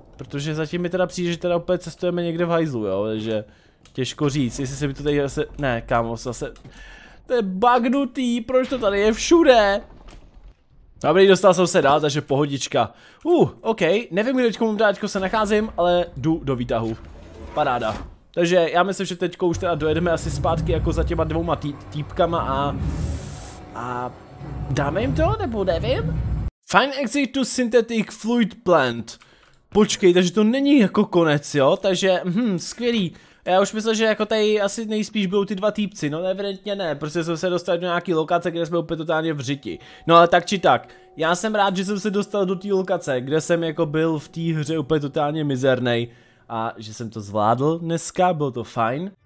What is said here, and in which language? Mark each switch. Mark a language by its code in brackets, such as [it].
[cs] Protože zatím mi teda přijde, že teda opět cestujeme někde v hajzlu, jo, takže těžko říct, jestli se mi to tady zase, ne, kámo, zase, to je bugnutý, proč to tady je všude? Dobrý, dostal jsem se dál, takže pohodička. OK, nevím, kde teďko mám dáčko se nacházím, ale jdu do výtahu. Paráda. Takže já myslím, že teďko už teda dojedeme asi zpátky jako za těma dvouma týpkama a... A... Dáme jim to, nebo nevím? [en] Find exit to synthetic fluid plant. [cs] Počkej, takže to není jako konec, jo? Takže, skvělý. Já už myslel, že jako tady asi nejspíš budou ty dva týpci, no evidentně ne, prostě jsem se dostal do nějaký lokace, kde jsme úplně totálně v řiti. No ale tak či tak, já jsem rád, že jsem se dostal do té lokace, kde jsem jako byl v té hře úplně totálně mizernej a že jsem to zvládl dneska, bylo to fajn.